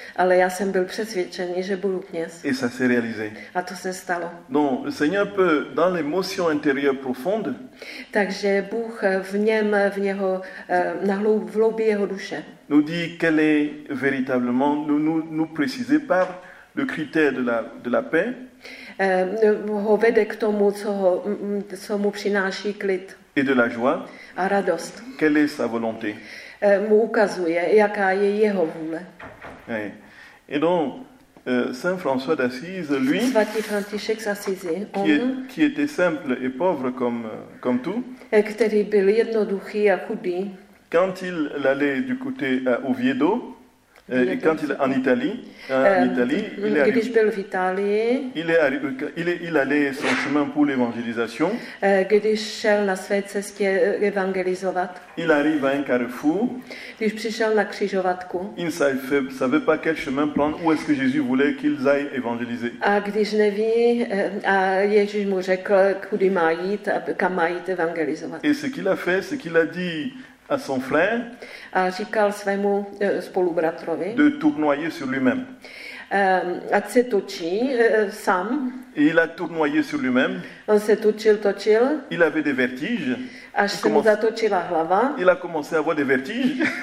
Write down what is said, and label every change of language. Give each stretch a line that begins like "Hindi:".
Czech: Ale já jsem byl přesvědčený, že budu kněz.
French: Et ça s'est réalisé.
Czech: A to se stalo.
French: Donc, le Seigneur peut, dans l'émotion intérieure profonde.
Czech: Takže Bůh v něm, v něho, v hloubi jeho duše.
French: Nous dit qu'elle est véritablement nous préciser par le critère de la paix.
Czech: Ho vede k tomu, co mu přináší klid.
French: Et de la joie.
Czech: A radost.
French: Quelle est sa volonté?
Czech: Mu ukazuje, jaká je jeho vůle.
French: Et donc, Saint François d'Assise, lui,
Czech: svatý František z Assisi,
French: qui était simple et pauvre comme tout,
Czech: který byl jednoduchý a chudý,
French: quand il allait du côté à Oviedo, et quand il en Italie, il allait son chemin pour l'évangélisation.
Czech: Když šel na své cestě evangelizovat.
French: Il arrive à un carrefour.
Czech: Když přišel na křižovatku.
French: Il ne savait pas quel chemin prendre, où est-ce que Jésus voulait qu'ils aillent évangéliser.
Czech: A když neví, a Ježíš mu řekl, kudy má jít, kam má jít evangelizovat.
French: Et ce qu'il a fait, ce qu'il a dit à son frère,
Czech: a říkal svému spolubratrovi,
French: de tournoyer sur lui-même.
Czech: Ať se točí sám.
French: Et il a tournoyé sur lui-même.
Czech: On se točil.
French: Il avait des vertiges.
Czech: Až se mu zatočila hlava.
French: Il a commencé à avoir des vertiges.